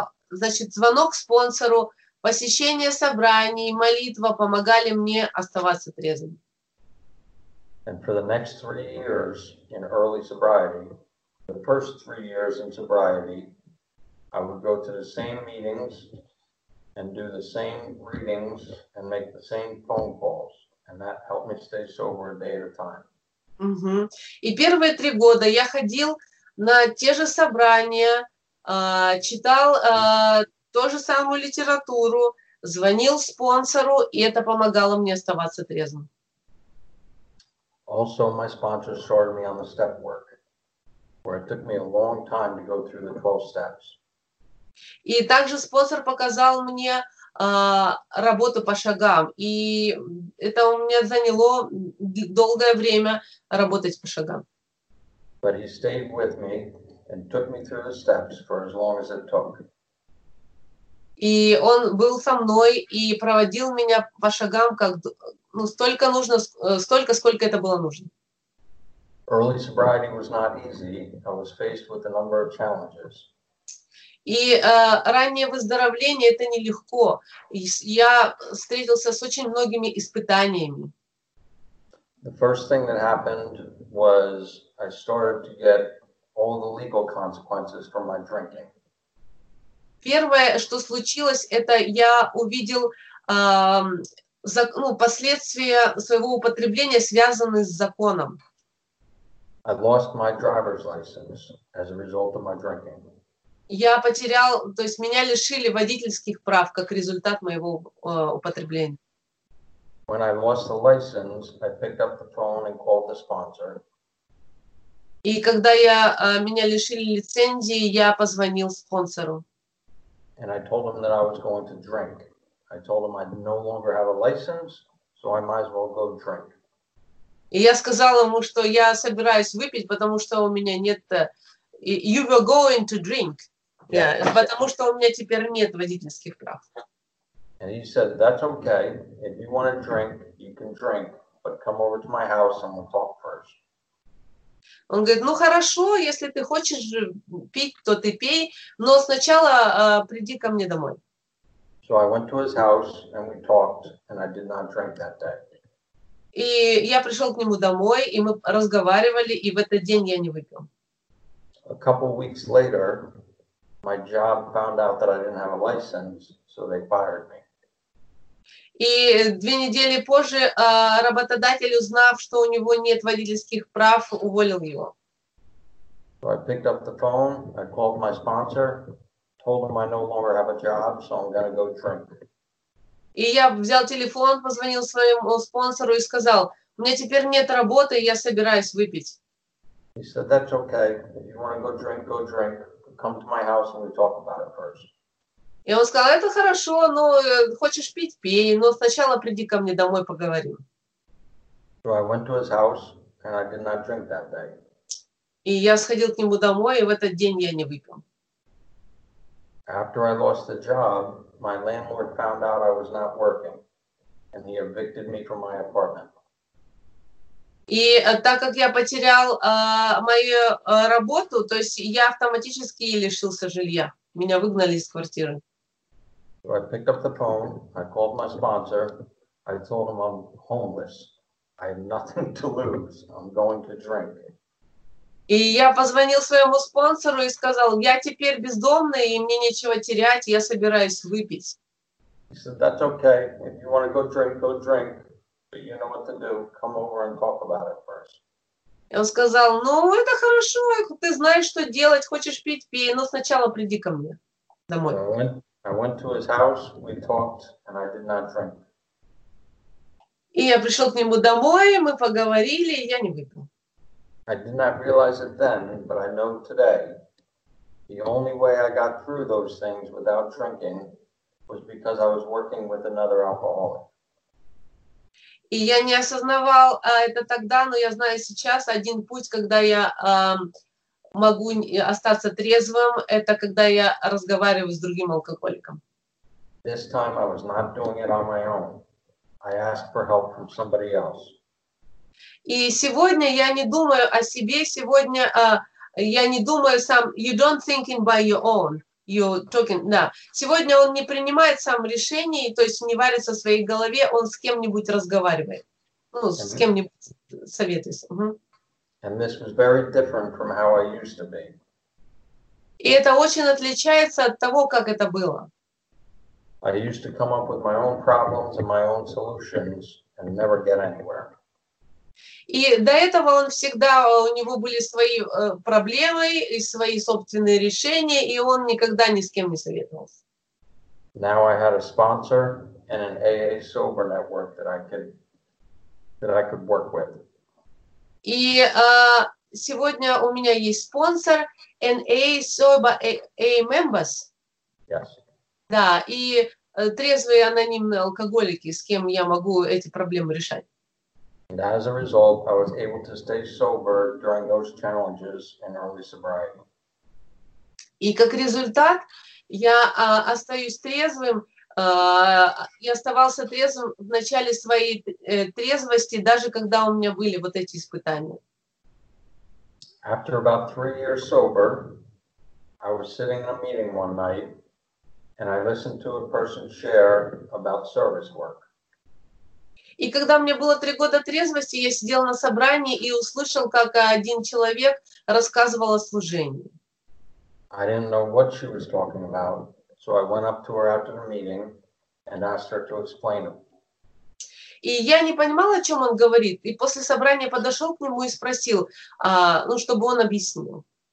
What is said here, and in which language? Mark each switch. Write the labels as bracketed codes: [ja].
[ru] Значит, звонок спонсору, посещение собраний, молитва помогали мне оставаться трезвым. [en] And for the next 3 years in early sobriety, the first 3 years in sobriety, I would go to the same meetings and do the same readings and make the same phone calls. And that helped me stay sober a day at a time. Mm-hmm. [ru] И первые 3 года я ходил на те же собрания, читал ту же самую литературу, звонил спонсору, и это помогало мне оставаться трезвым. [en] Also, my sponsor started me on the step work, where it took me a long time to go through the 12 steps. [ru] И также спонсор показал мне работу по шагам, и это у меня заняло долгое время работать по шагам. [en] But he stayed with me and took me through the steps for as long as it took. [ru] И он был со мной и проводил меня по шагам, как ну, столько нужно, столько, сколько это было нужно. [en] Early sobriety was not easy. I was faced with a number of challenges. [ru] И раннее выздоровление это нелегко. Я встретился с очень многими испытаниями. [en] The first thing that happened was I started to get all the legal consequences from my drinking. [ru] Первое, что случилось, это я увидел последствия своего употребления, связанные с законом. [en] I lost my driver's license as a result of my drinking. [ru] Я потерял, то есть меня лишили водительских прав как результат моего употребления. [en] When I lost the license, I picked up the phone and called the sponsor. [ru] И когда я меня лишили лицензии, я позвонил спонсору. [en] And I told him that I was going to drink. I told him I no longer have a license, so I might as well go drink. [ru] И я сказал ему, что я собираюсь выпить, потому что у меня нет... [en] You were going to drink. [ru] Yeah, потому что у меня теперь нет водительских прав. [en] And he said, that's okay. If you want to drink, you can drink. But come over to my house and we'll talk first. [ru] Он говорит, ну хорошо, если ты хочешь пить, то ты пей, но сначала приди ко мне домой. [en] So I went to his house and we talked, and I did not drink that day. [ru] И я пришел к нему домой, и мы разговаривали, и в этот день я не выпил. [en] A couple weeks later, my job found out that I didn't have a license, so they fired me. [ru] И 2 недели позже работодатель, узнав, что у него нет водительских прав, уволил его. [en] So I picked up the phone, I called my sponsor, told him I no longer have a job, so I'm going to go drink. [ru] И я взял телефон, позвонил своему спонсору и сказал, у меня теперь нет работы, я собираюсь выпить. [en] He said, that's okay, if you want to go drink, go drink. Come to my house and we talk about it first. [ru] И он сказал, это хорошо, но хочешь пить, пей, но сначала приди ко мне домой, поговорим. [en] So I went to his house and I did not drink that day. [ru] И я сходил к нему домой, и в этот день я не выпил. [en] After I lost the job, my landlord found out I was not working and he evicted me from my apartment. [ru] И так как я потерял мою работу, то есть я автоматически лишился жилья. Меня выгнали из квартиры. [en] So I picked up the phone, I called my sponsor, I told him I'm homeless, I have nothing to lose, I'm going to drink. [ru] И я позвонил своему спонсору и сказал, я теперь бездомный, и мне нечего терять, я собираюсь выпить. [en] He said, that's okay, if you want to go drink, go drink, But you know what to do. Come over and talk about it first. [ru] И он сказал, ну, это хорошо, ты знаешь, что делать, хочешь пить, пей, но сначала приди ко мне домой. [en] I went to his house, we talked, and I did not drink. [ru] И я пришел к нему домой, мы поговорили, и я не выпил. [en] I did not realize it then, but I know today, the only way I got through those things without drinking was because I was working with another alcoholic. [ru] И я не осознавал это тогда, но я знаю сейчас один путь, когда я могу остаться трезвым, это когда я разговариваю с другим алкоголиком. [en] This time I was not doing it on my own. I asked for help from somebody else. [ru] И сегодня я не думаю о себе, сегодня я не думаю сам, [en] you don't thinking by your own. You're talking, да. [ru] Сегодня он не принимает сам решений, то есть не варится в своей голове, он с кем-нибудь разговаривает. Ну, с кем-нибудь советуется. [en] And this was very different from how I used to be. [ru] И это очень отличается от того, как это было. [en] I used to come up with my own problems and my own solutions and never get anywhere. [ru] И до этого он всегда, у него были свои проблемы и свои собственные решения, и он никогда ни с кем не советовался. [en] Now I had a sponsor and an AA sober network that I could work with. [ru] И сегодня у меня есть спонсор, [en] an AA sober AA members. Yes. [ru] Да, и трезвые анонимные алкоголики, с кем я могу эти проблемы решать. [en] And as a result, I was able to stay sober during those challenges in early sobriety. [ru] И как результат, я остаюсь трезвым, и оставался трезвым в начале своей трезвости, даже когда у меня были вот эти испытания. [en] After about 3 years sober, I was sitting in a meeting one night, and I listened to a person share about service work. [ru] И когда мне было 3 года трезвости, я сидел на собрании и услышал, как один человек рассказывал о служении. [en] I didn't know what she was talking about, so I went up to her after the meeting and asked her to explain it. [ru] И я не понимал, о чем он говорит, и после собрания подошел к нему и спросил, ну, чтобы он объяснил.